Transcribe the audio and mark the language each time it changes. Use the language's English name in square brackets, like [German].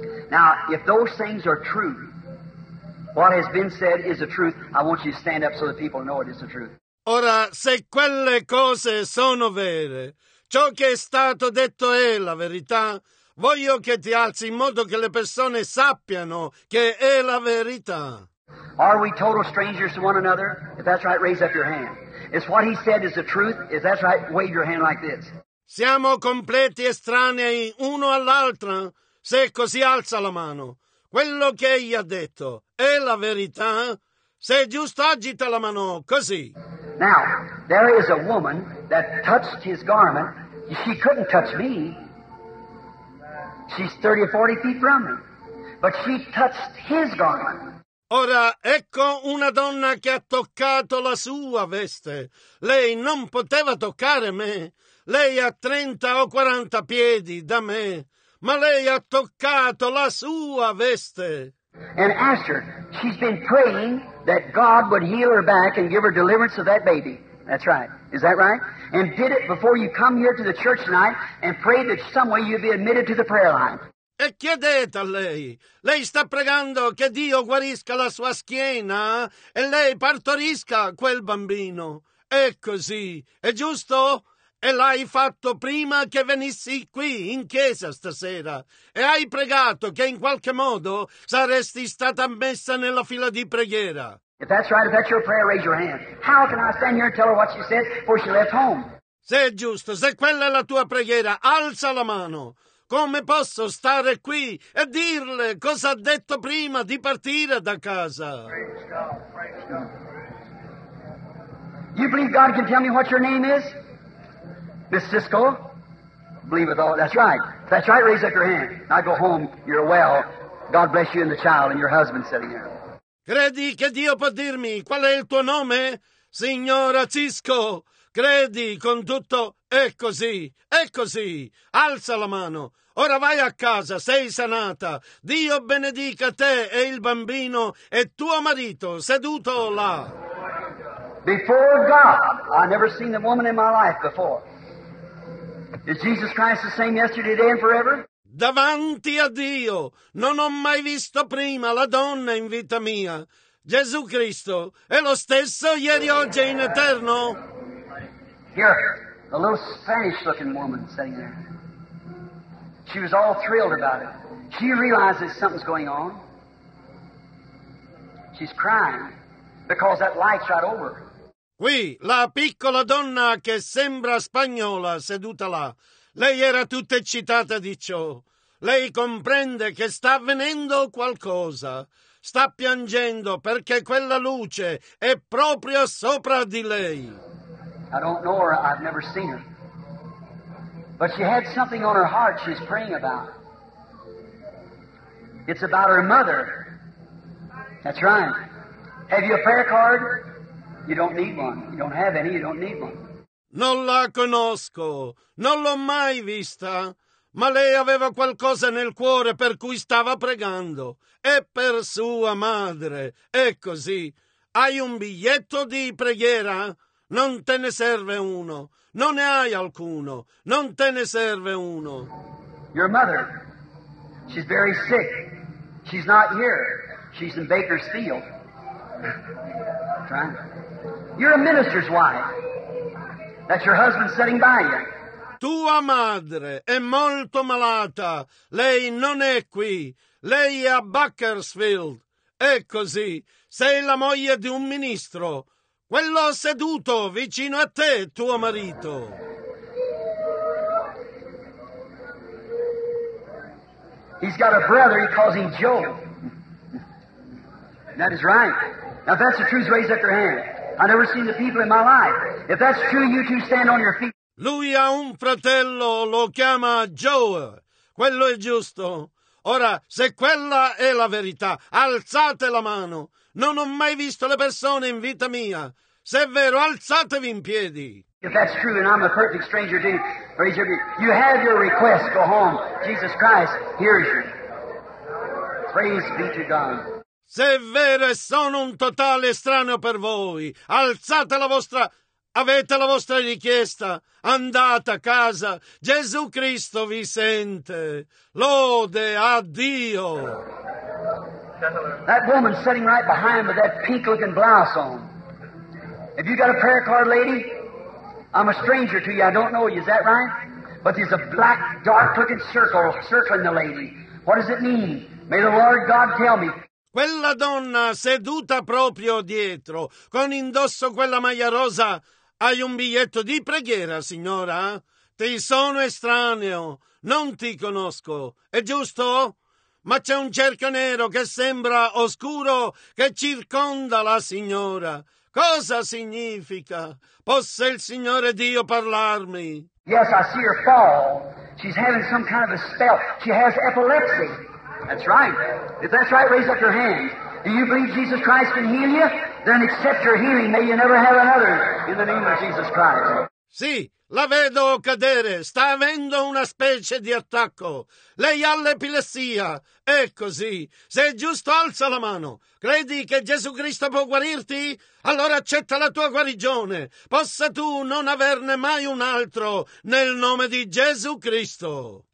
[English] Now, if those things are true, what has been said is the truth, I want you to stand up so the people know it is the truth. [Italian] Ora, se quelle cose sono vere, ciò che è stato detto è la verità, voglio che ti alzi in modo che le persone sappiano che è la verità. [English] Are we total strangers to one another? If that's right, raise up your hand. If what he said is the truth, if that's right, wave your hand like this. [Italian] Siamo completi estranei uno all'altro? Se è così, alza la mano. Quello che egli ha detto è la verità? Se è giusto, agita la mano così. [English] Now, there is a woman that touched his garment. She couldn't touch me. She's 30 or 40 feet from me. But she touched his garment. [Italian] Ora, ecco una donna che ha toccato la sua veste. Lei non poteva toccare me. Lei ha 30 o 40 piedi da me. Ma lei ha toccato la sua veste. [English] And asked her, she's been praying that God would heal her back and give her deliverance of that baby. That's right. Is that right? And did it before you come here to the church tonight and prayed that some way you'd be admitted to the prayer line. [Italian] E chiedete a lei. Lei sta pregando che Dio guarisca la sua schiena e lei partorisca quel bambino. È così. È giusto? E l'hai fatto prima che venissi qui in chiesa stasera. E hai pregato che in qualche modo saresti stata messa nella fila di preghiera. [English] If that's right, if that's your prayer, raise your hand. How can I stand here and tell her what she said before she left home? [Italian] Se è giusto, se quella è la tua preghiera, alza la mano. Come posso stare qui e dirle cosa ha detto prima di partire da casa? [English] Praise God. You believe God can tell me what your name is? Miss Sisko, believe it all. That's right. That's right. Raise up your hand. I go home. You're well. God bless you and the child and your husband sitting here. [Italian] Credi che Dio può dirmi qual è il tuo nome, signora Sisko? Credi con tutto. È così. È così. Alza la mano. Ora vai a casa. Sei sanata. Dio benedica te e il bambino e tuo marito seduto là. [English] Before God, I've never seen a woman in my life before. Is Jesus Christ the same yesterday, today, and forever? [Italian] Davanti a Dio, non ho mai visto prima la donna in vita mia. Gesù Cristo è lo stesso ieri, oggi e in eterno. [English] Here, a little Spanish-looking woman sitting there. She was all thrilled about it. She realizes something's going on. She's crying because that light's right over her. [Italian] Qui, la piccola donna che sembra spagnola seduta là, lei era tutta eccitata di ciò. Lei comprende che sta avvenendo qualcosa. Sta piangendo perché quella luce è proprio sopra di lei. [English] I don't know her, I've never seen her. But she had something on her heart she's praying about. It's about her mother. That's right. Have you a prayer card? You don't need one. You don't have any. You don't need one. [Italian] Non la conosco. Non l'ho mai vista. Ma lei aveva qualcosa nel cuore per cui stava pregando. È per sua madre. È così. Hai un biglietto di preghiera? Non te ne serve uno. Non ne hai alcuno. Non te ne serve uno. [English] Your mother. She's very sick. She's not here. She's in Bakersfield. Trying. You're a minister's wife. That's your husband sitting by you. [Italian] Tua madre è molto malata. Lei non è qui. Lei è a Bakersfield. È così. Sei la moglie di un ministro. Quello seduto vicino a te, tuo marito. [English] He's got a brother he calls him Joe. That is right. Now, if that's the truth, raise up your hand. I've never seen the people in my life. If that's true, you two stand on your feet. [Italian] Lui ha un fratello, lo chiama Joe. Quello è giusto. Ora, se quella è la verità, alzate la mano. Non ho mai visto le persone in vita mia. Se è vero, alzatevi in piedi. [English] If that's true, and I'm a perfect stranger to you, you have your request, go home. Jesus Christ hears you. Praise be to God. [Italian] Se è vero e sono un totale estraneo per voi, alzate la vostra, avete la vostra richiesta, andate a casa, Gesù Cristo vi sente, lode a Dio. [English] That woman sitting right behind with that pink looking blouse on, have you got a prayer card, lady? I'm a stranger to you, I don't know you, is that right? But there's a black, dark looking circle circling the lady. What does it mean? May the Lord God tell me. [Italian] Quella donna seduta proprio dietro, con indosso quella maglia rosa, hai un biglietto di preghiera, signora? Ti sono estraneo, non ti conosco, è giusto? Ma c'è un cerchio nero che sembra oscuro che circonda la signora. Cosa significa? Possa il Signore Dio parlarmi? [English] Yes, I see her fall. She's having some kind of a spell. She has epilepsy. That's right. If that's right, raise up your hand. Do you believe Jesus Christ can heal you? Then accept your healing. May you never have another in the name of Jesus Christ. [Italian] Sì, la vedo cadere. Sta avendo una specie di attacco. Lei ha l'epilessia. È così. Se è giusto, alza la mano. Credi che Gesù Cristo può guarirti? Allora accetta la tua guarigione. Possa tu non averne mai un altro nel nome di Gesù Cristo.